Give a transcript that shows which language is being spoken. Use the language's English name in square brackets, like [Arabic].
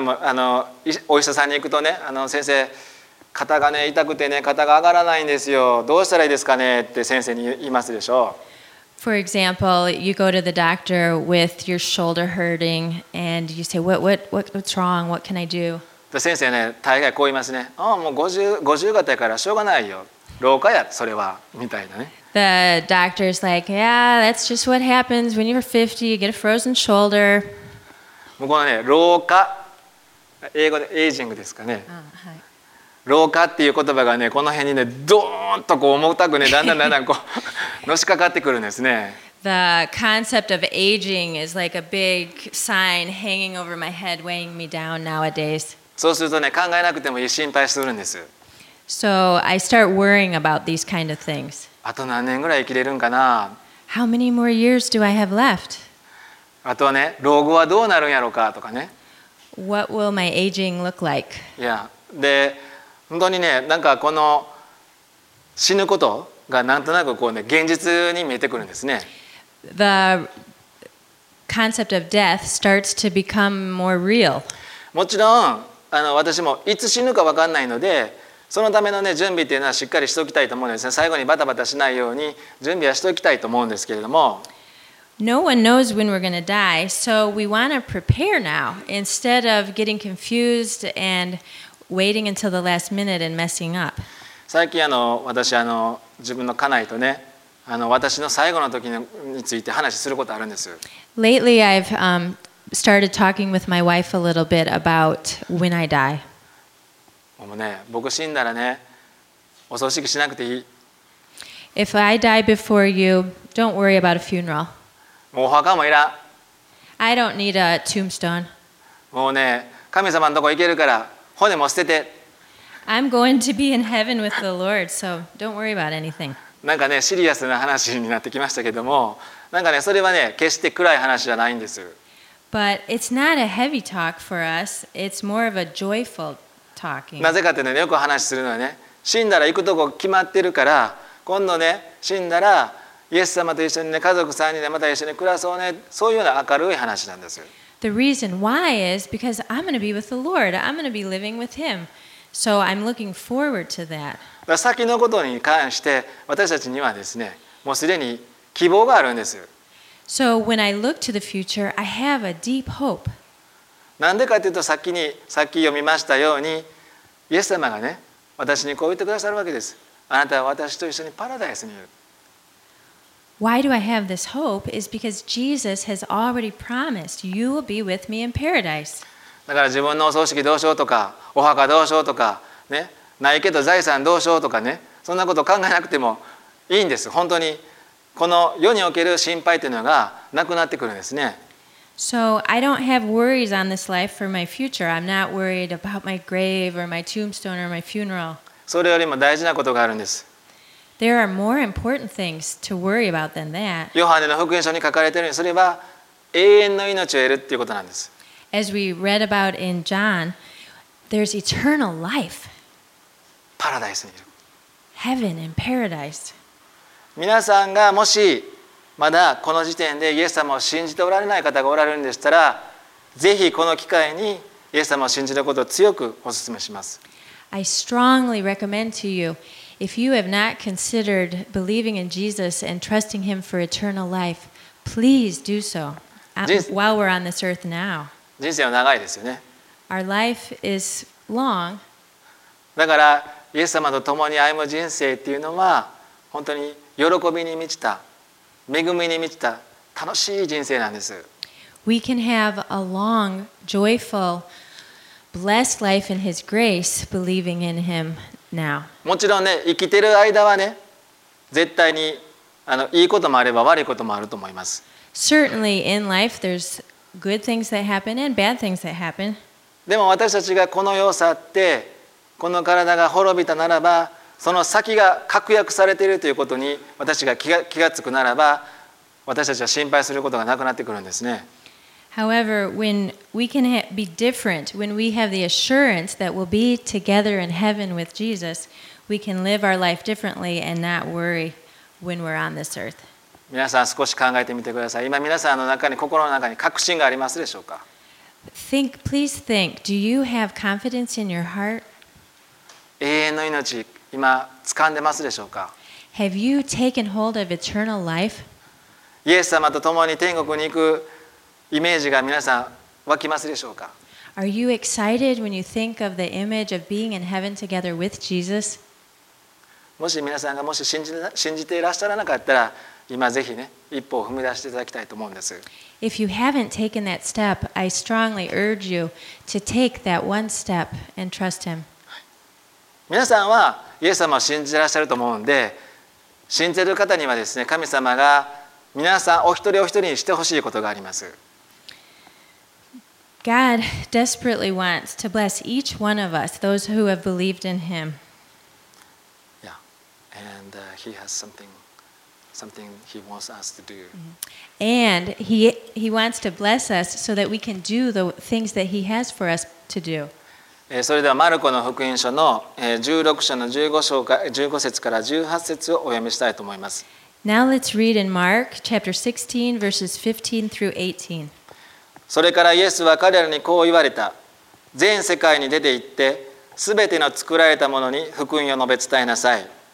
[Japanese] もお医者さんに行くとね、先生肩がね痛くてね肩が上がらないんですよ、どうしたらいいですかねって先生に言いますでしょう。 [English] For example, you go to the doctor with your shoulder hurting and you say, what's wrong? What can I do? [Japanese] 先生ね、大概こう言いますね。ああ、もう50型やからしょうがないよ。老化や、それは、みたいなね。 [English] The doctor's like, yeah, that's just what happens when you're 50, you get a frozen shoulder. [Japanese] もうこのね、老化。英語でエイジングですかね。老化っていう言葉がね、この辺にね、ドーンとこう重たくね、だんだんこう、のしかかってくるんですね。 [English] The concept of aging is like a big sign hanging over my head, weighing me down nowadays. [Japanese] そうするとね、考えなくてもいい、心配するんです。 [English] So I start worrying about these kind of things. [Japanese] あと何年ぐらい生きれるんかな。 [English] How many more years do I have left? [Japanese] あとはね、老後はどうなるんやろうかとかね。 [English] What will my aging look like? Yeah. [Japanese] で、本当にね、なんかこの死ぬことがなんとなくこうね、現実に見えてくるんですね。 [English] The concept of death starts to become more real. [Japanese] もちろん私もいつ死ぬか分かんないので、そのための、ね、準備っていうのはしっかりしておきたいと思うんですね。最後にバタバタしないように準備はしておきたいと思うんですけれども、 [English] No one knows when we're going to die, so we want to prepare now instead of getting confused and waiting until the last minute and messing up. [Japanese] 最近私自分の家内とね、私の最後の時について話することあるんです。 [English] Lately I've started talking with my wife a little bit about when I die. [Japanese] もうね、僕死んだらね、お葬式しなくていい。 [English] If I die before you, don't worry about a funeral. [Japanese] もうお墓もいらん。 [English] I don't need a tombstone. [Japanese] もうね、神様のとこ行けるから骨も捨てて。 [English] I'm going to be in heaven with the Lord, so don't worry about anything. [Japanese] なんかね、シリアスな話になってきましたけども、なんかね、それはね、決して暗い話じゃないんです。 [English] But it's not a heavy talk for us. It's more of a joyful talking. [Japanese] なぜかというとね、よく話するのはね、死んだら行くとこ決まってるから、今度ね、死んだらイエス様と一緒にね、家族3人でまた一緒に暮らそうね、そういうような明るい話なんですよ。 [English] The reason why is because I'm going to be with the Lord. I'm going to be living with Him. So I'm looking forward to that. [Japanese] 先のことに関して私たちにはですね、もうすでに希望があるんですよ。 [English] So when I look to the future, I have a deep hope. [Japanese] なんでかというと、さっき読みましたように、イエス様がね、私にこう言ってくださるわけです。あなたは私と一緒にパラダイスにいる。 [English] Why do I have this hope? Is because Jesus has already promised you will be with me in paradise. [Japanese] だから自分のお葬式どうしようとか、お墓どうしようとか、ね、ないけど財産どうしようとかね、そんなこと考えなくてもいいんです。本当にこの世における心配というのがなくなってくるんですね。 [English] So I don't have worries on this life for my future. I'm not worried about my grave or my tombstone or my funeral. [Japanese] それよりも大事なことがあるんです。 [English] There are more important things to worry about than that. [Japanese] ヨハネの福音書に書かれているように、それは永遠の命を得るということなんです。 [English] As we read about in John, there's eternal life. [Japanese] パラダイスにいる。 [English] Heaven and paradise. [Japanese] 皆さんがもしまだこの時点でイエス様を信じておられない方がおられるんでしたら、ぜひこの機会にイエス様を信じることを強くお勧めします。 [English] I strongly recommend to you, if you have not considered believing in Jesus and trusting Him for eternal life, please do so while we're on this earth now. [Japanese] 人生は長いですよね。 [English] Our life is long. [Japanese] だからイエス様と共に歩む人生っていうのは本当に喜びに満ちた、恵みに満ちた楽しい人生なんです。 [English] We can have a long, joyful, blessed life in His grace, believing in Him now. [Japanese] もちろんね、生きてる間はね、絶対にいいこともあれば悪いこともあると思います。 [English] Certainly in life, there's good things that happen and bad things that happen. [Japanese] でも私たちがこの世を去って、この体が滅びたならば、その先が確約されているということに私が気がつくならば、私たちは心配することがなくなってくるんですね。 [English] However, when we can be different, when we have the assurance that we'll be together in heaven with Jesus, we can live our life differently and not worry when we're on this earth. [Japanese] 皆さん少し考えてみてください。今皆さんの中に、心の中に確信がありますでしょうか？ [English] Think, please think. Do you have confidence in your heart? [Japanese] 永遠の命、今掴んでますでしょうか？ [English] Have you taken hold of eternal life? [Japanese] イエス様と共に天国に行くイメージが皆さん湧きますでしょうか？ [English] Are you excited when you think of the image of being in heaven together with Jesus? [Japanese] もし皆さんがもし信じていらっしゃらなかったら、今ぜひね、一歩を踏み出していただきたいと思うんです。 [English] If you haven't taken that step, I strongly urge you to take that one step and trust Him. [Japanese] 皆さんはイエス様を信じていらっしゃると思うんで、信じている方にはですね、神様が皆さんお一人お一人にしてほしいことがあります。 [English] God desperately wants to bless each one of us, those who have believed in Him. Yeah, and He has something He wants us to do. And He wants to bless us so that we can do the things that He has for us to do. [Japanese] それではマルコの福音書の16章の15節から18節をお読みしたいと思います。 [English] Now let's read in Mark chapter 16 verses 15 through 18. [Japanese] それからイエスは彼らにこう言われた。全世界に出て行って、すべての作られたものに福音を述べ伝えなさい。